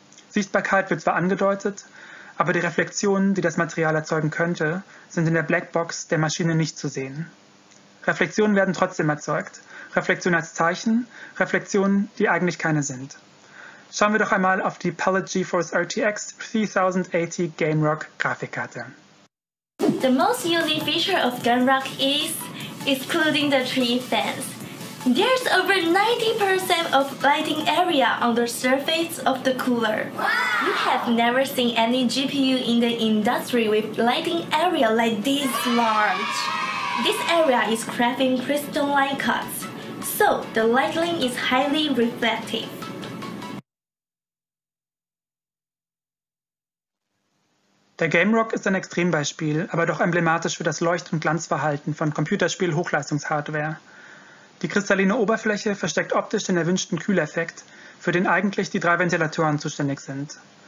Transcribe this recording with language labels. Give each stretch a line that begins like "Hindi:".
German: Sichtbarkeit wird zwar angedeutet, aber die Reflexionen, die das Material erzeugen könnte, sind in der Blackbox der Maschine nicht zu sehen. Reflexionen werden trotzdem erzeugt. Reflexionen als Zeichen, Reflexionen, die eigentlich keine sind. Schauen wir doch einmal auf die Palette GeForce RTX 3080 GameRock Grafikkarte.
English: The most unique feature of GameRock is excluding the tree fans. There's over 90% of lighting area on the surface of the cooler. Wow. We have never seen any GPU in the industry with lighting area like this large. This area is craving crystalline cuts, so the lightning is highly reflective.
German: Der Game Rock ist ein Extrembeispiel, aber doch emblematisch für das Leucht- und Glanzverhalten von Computerspiel-Hochleistungshardware. Die kristalline Oberfläche versteckt optisch den erwünschten Kühleffekt, für den eigentlich die drei Ventilatoren zuständig sind.